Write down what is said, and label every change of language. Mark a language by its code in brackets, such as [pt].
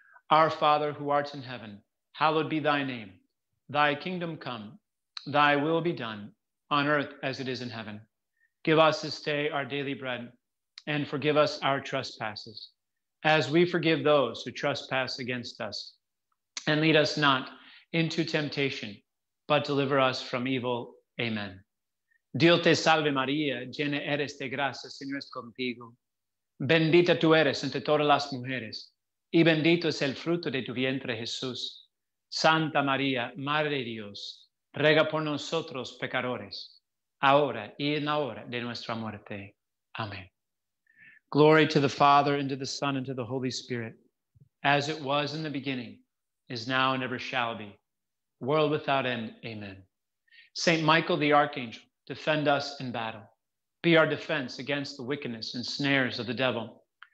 [en] Our Father, who art in heaven, hallowed be thy name. Thy kingdom come, thy will be done, on earth as it is in heaven. Give us this day our daily bread, and forgive us our trespasses, as we forgive those who trespass against us. And lead us not into temptation, but deliver us from evil. Amen. [es] Dios te salve, María, llena eres de gracia, Señor es contigo. Bendita tú eres entre todas las mujeres, y bendito es el fruto de tu vientre, Jesús. Santa María, Madre de Dios, ruega por nosotros, pecadores, ahora y en la hora de nuestra muerte. Amén. [en] Glory to the Father, and to the Son, and to the Holy Spirit, as it was in the beginning, is now, and ever shall be, world without end. Amen. Saint Michael the Archangel, defend us in battle. Be our defense against the wickedness and snares of the devil.